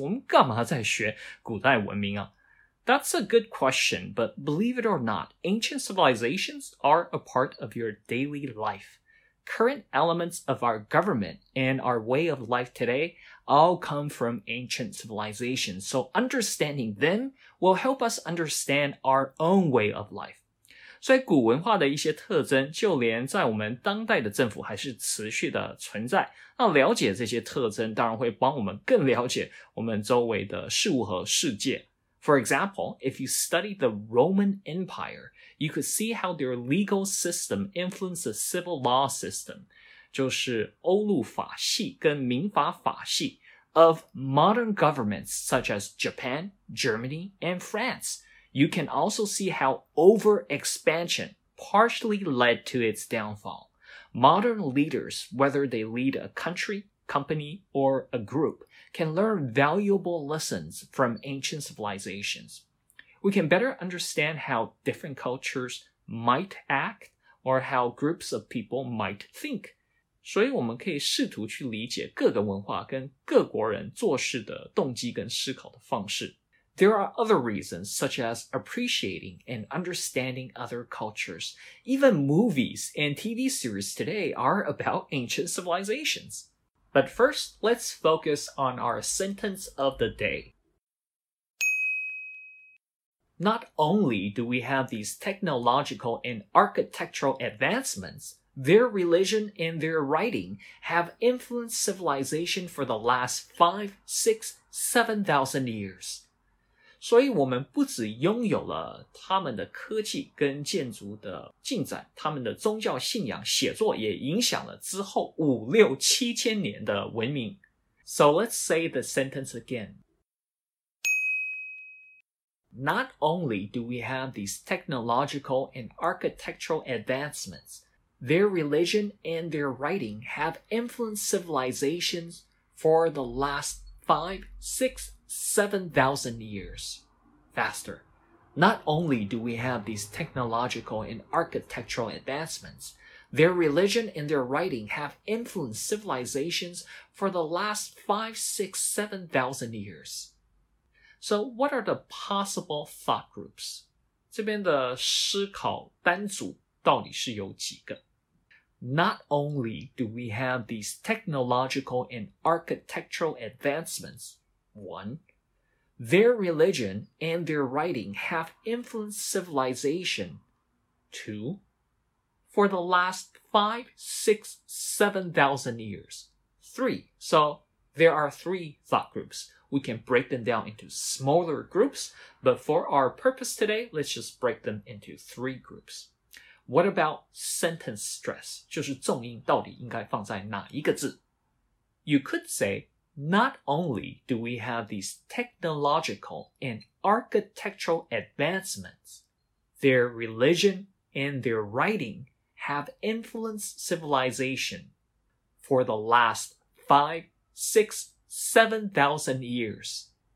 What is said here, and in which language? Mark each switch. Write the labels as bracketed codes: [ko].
[zh] 我们干嘛在学古代文明啊? [en] That's a good question, but believe it or not, ancient civilizations are a part of your daily life. Current elements of our government and our way of life today all come from ancient civilizations, so understanding them will help us understand our own way of life. [zh] 所以古文化的一些特征就连在我们当代的政府还是持续的存在。那了解这些特征当然会帮我们更了解我们周围的事物和世界。 [en] For example, if you study the Roman Empire, you could see how their legal system influenced the civil law system, [zh] 就是欧陆法系跟民法法系 [en] of modern governments such as Japan, Germany, and France. You can also see how overexpansion partially led to its downfall. Modern leaders, whether they lead a country, company, or a group,can learn valuable lessons from ancient civilizations. We can better understand how different cultures might act or how groups of people might think. [zh] 所以我们可以试图去理解各个文化跟各国人做事的动机跟思考的方式。 [en] There are other reasons, such as appreciating and understanding other cultures. Even movies and TV series today are about ancient civilizations. But first, let's focus on our sentence of the day. Not only do we have these technological and architectural advancements, their religion and their writing have influenced civilization for the last 5,000, 6,000, 7,000 years. [zh] 所以我们不只拥有了他们的科技跟建筑的进展，他们的宗教信仰写作也影响了之后五六七千年的文明。 [en] So let's say the sentence again. Not only do we have these technological and architectural advancements, their religion and their writing have influenced civilizations for the last 5,000, 6,000, 7,000 years. Faster. Not only do we have these technological and architectural advancements, their religion and their writing have influenced civilizations for the last 5,000, 6,000, 7,000 years. So what are the possible thought groups? [zh] 这边的思考单组到底是有几个？ [en] Not only do we have these technological and architectural advancements, 1. Their religion and their writing have influenced civilization, 2. For the last 5,000, 6,000, 7,000 years, 3. So there are 3 thought groups. We can break them down into smaller groups, but for our purpose today, let's just break them into 3 groups. What about sentence stress? [zh] 就是重音到底应该放在哪一个字? [en] You could say,Not only do we have these technological and architectural advancements, their religion and their writing have influenced civilization for the last 5,000, 6,000, 7,000 years.